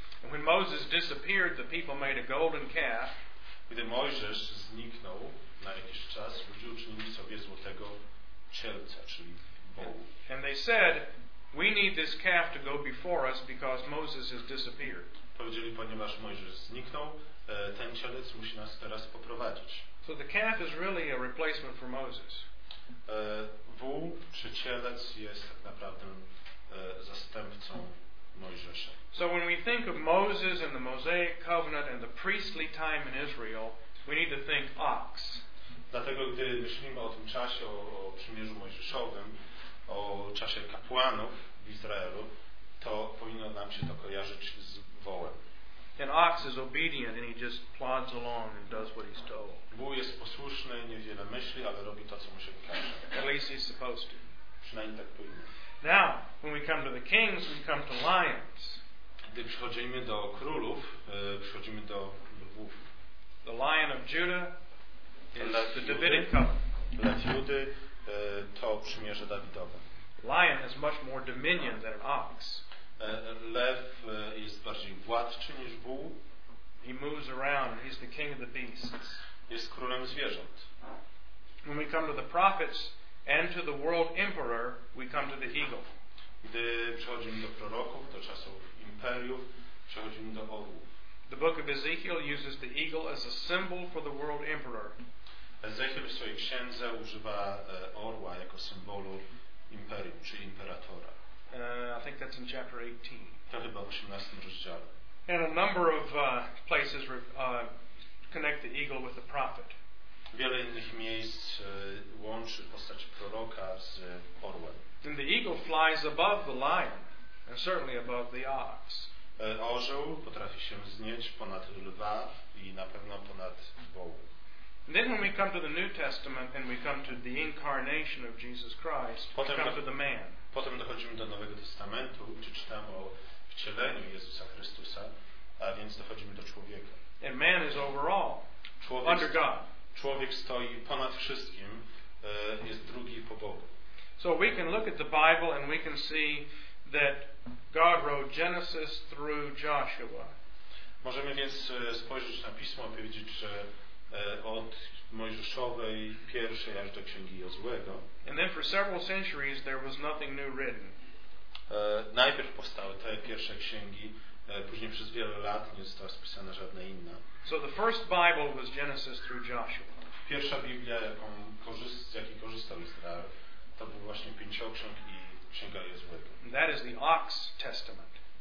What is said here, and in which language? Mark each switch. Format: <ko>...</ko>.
<en>And when Moses disappeared, the people made a golden calf.</en> <pl>Gdy Mojżesz zniknął na jakiś czas, ludzie uczynili sobie złotego cielca, czyli wołu.</pl> <en>And they said, we need this calf to go before us because Moses has disappeared.</en> <pl>Powiedzieli, ponieważ Mojżesz zniknął, ten cielec musi nas teraz poprowadzić.</pl> <en>So the calf is really a replacement for Moses.</en> <pl>Wół czy cielec jest tak naprawdę zastępcą Mojżesza.</pl> <en>So when we think of Moses and the Mosaic covenant and the priestly time in Israel, we need to think ox.</en> <pl>Dlatego gdy myślimy o tym czasie, o przymierzu Mojżeszowym, o czasie kapłanów w Izraelu, to powinno nam się to kojarzyć z wołem.</pl> <en>An ox is obedient and he just plods along and does what he's told.</en> <pl>Wół jest posłuszny, niewiele myśli, ale robi to, co mu się każe.</pl> <en>At least he's supposed to.</en> <pl>Przynajmniej tak powinien.</pl> <en>Now, when we come to the kings, we come to lions.</en> <pl>Gdy przychodzimy do królów, przychodzimy do lwów.</pl> <en>The lion of Judah is the Davidic covenant.</en> <pl>Lew Judy to przymierze Dawidowe.</pl> <en>Lion has much more dominion than an ox.</en> <pl>Lew jest bardziej władczy niż wół.</pl> <en>He moves around. He's the king of the beasts.</en> <pl>Jest królem zwierząt.</pl> <en>When we come to the prophets and to the world emperor, we come to the eagle.</en> <pl>Gdy przechodzimy do proroków, do czasów imperiów, przechodzimy do orłów.</pl> <en>The book of Ezekiel uses the eagle as a symbol for the world emperor.</en> <pl>Ezekiel w swojej księdze używa orła jako symbolu imperium, czy imperatora.</pl> <en>I think that's in chapter 18.</en> <pl>To chyba w 18 rozdziale.</pl> <en>And a number of places connect the eagle with the prophet.</en> <pl>Wiele innych miejsc łączy postać proroka z orłem.</pl> <en>And the eagle flies above the lion, and certainly above the ox.</en> <pl>Orzeł potrafi się wznieść ponad lwa i na pewno ponad wołu.</pl> <en>Then when we come to the New Testament and we come to the incarnation of Jesus Christ,</en> <pl>potem</pl> <en>we come to the man.</en> <pl>Potem dochodzimy do Nowego Testamentu, gdzie czytamy o wcieleniu Jezusa Chrystusa, a więc dochodzimy do człowieka.</pl> <en>And man is overall,</en> <pl>człowiek,</pl> <en>under God.</en> <pl>Człowiek stoi ponad wszystkim, jest drugi po Bogu.</pl> <en>So we can look at the Bible and we can see that God wrote Genesis through Joshua.</en> <pl>Możemy więc spojrzeć na Pismo i powiedzieć, że od Mojżeszowej pierwszej aż do Księgi Jozłego.</pl> <en>And then for several centuries there was nothing new written.</en> <pl>Najpierw powstały te pierwsze księgi, później przez wiele lat nie została spisana żadna inna.</pl> <en>So the first Bible was Genesis through Joshua.</en> <pl>Pierwsza Biblia, jaki korzystał Izrael, to był właśnie Pięcioksiąg i Księga Jozłego.</pl> <en>That is the Ox Testament.</en>